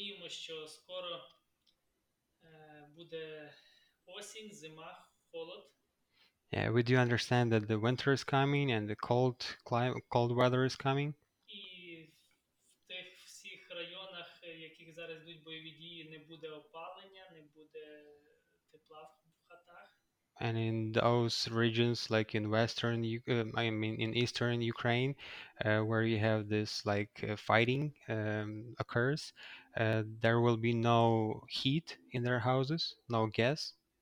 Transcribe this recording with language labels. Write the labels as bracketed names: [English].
[Ukrainian] Що скоро буде осінь, зима, холод. [English] Yeah, we do understand that the winter is coming and the cold weather is coming. [Ukrainian] І в тих всіх районах, яких зараз йдуть бойові дії, не буде опалення, не буде тепла в хатах. [English] And in those regions, like in western, in eastern Ukraine, where you have this fighting occurs, there will be no heat in their houses, no gas.